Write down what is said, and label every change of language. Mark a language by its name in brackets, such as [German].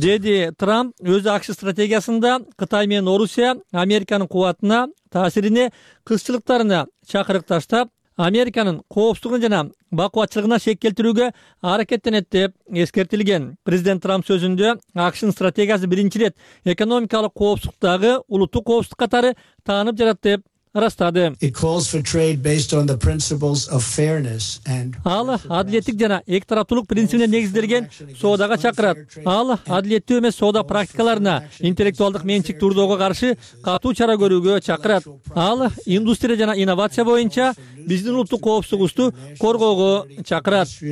[Kyrgyz] Деди Трамп өз АКШ стратегиясында Кытай менен Орусия Американын кубатына, таасирине, кызчылыктарына чакырык таштап, Американын коопсуздугун жана бакубатчылыгына шек келтирүүгө аракеттенет деп эскертилген. Президент Трамп сөзүндө АКШнын стратегиясы биринчи ирет экономикалык коопсуздуктагы улуттук коопсуздук катары таанып жатат деп растады. [English] It calls for trade based on the principles of fairness and [Kyrgyz] ал адилеттик жана эки тараптуулук принципине негизделген соодага чакырат. Ал адилеттүү эмес соода практикаларына, интеллектуалдык менчик турдоого каршы катуу чара көрүүгө чакырат. Ал индустрия жана инновация боюнча биздин улуттук коопсуздугубузду коргоого чакырат.